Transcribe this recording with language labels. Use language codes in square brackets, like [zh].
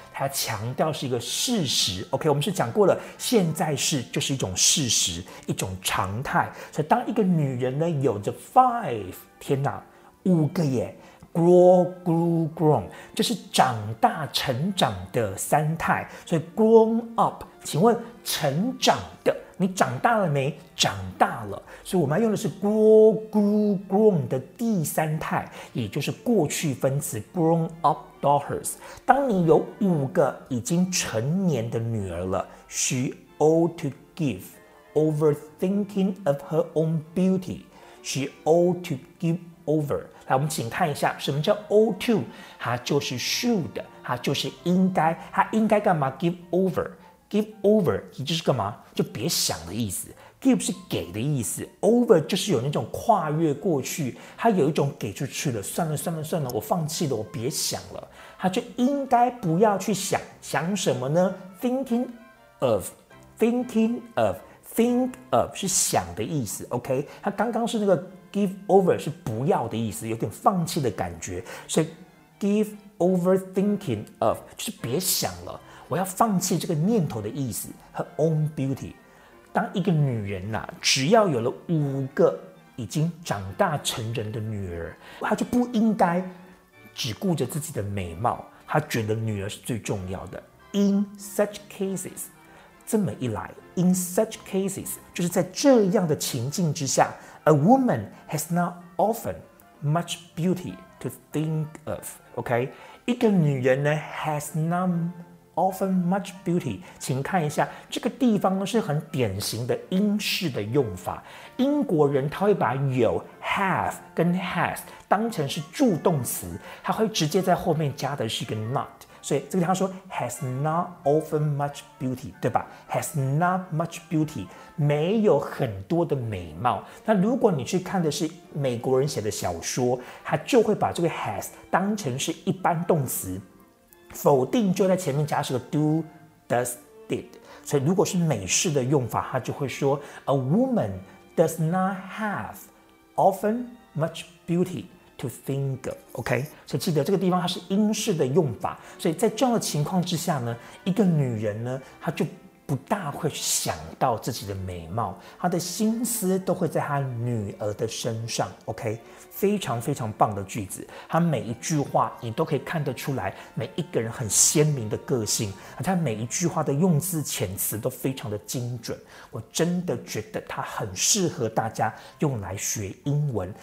[zh] 它强调是一个事实。 OK， 我们是讲过了，现在是就是一种事实，一种常态。所以当一个女人呢，有着 five， 天哪，五个耶 ，grow， 就是长大、成长的三态。所以 grown up， 请问成长的，你长大了没？长大了。所以我们要用的是 grown 的第三态，也就是过去分词 [en] grown up daughters。 [zh] 当你有五个已经成年的女儿了， [en] she ought to give over thinking of her own beauty， she ought to give over。 [zh] 来，我们请看一下什么叫 ought to， 它就是 should， 它就是应该，它应该干嘛？ give over， give over 也就是干嘛？就别想的意思。 Give 是给的意思 ，over 就是有那种跨越过去，他有一种给出去了，算了算了算了，我放弃了，我别想了，他就应该不要去想，想什么呢 ？Think of 是想的意思 ，OK？他刚刚是那个 give over 是不要的意思，有点放弃的感觉，所以 [en] give over thinking of [zh] 就是别想了，我要放弃这个念头的意思 ， [en] her own beauty。 [zh] 当一个女人啊，只要有了五个已经长大成人的女儿，她就不应该只顾着自己的美貌，她觉得女儿是最重要的。 [en] In such cases， [zh] 这么一来 [en] ，In such cases， [zh] 就是在这样的情境之下 [en] ，A woman has not often much beauty to think of。 [zh] OK， 一个女人呢 ，has not。 [en] Often much beauty， [zh] 请看一下这个地方是很典型的英式的用法。英国人他会把有 have 跟 has 当成是助动词，他会直接在后面加的是一个 not， 所以这个地方说 [en] has not often much beauty， [zh] 对吧？ [en] Has not much beauty， [zh] 没有很多的美貌。那如果你去看的是美国人写的小说，他就会把这个 has 当成是一般动词。否定就在前面加上个 do, does, did， 所以如果是美式的用法，他就会说 [en] A woman does not have often much beauty to think of。 [zh] OK， 所以记得这个地方它是英式的用法，所以在这样的情况之下呢，一个女人呢，她就不大会想到自己的美貌，她的心思都会在她女儿的身上。 OK，非常非常棒的句子，他每一句话你都可以看得出来，每一个人很鲜明的个性，他每一句话的用字遣词都非常的精准，我真的觉得他很适合大家用来学英文。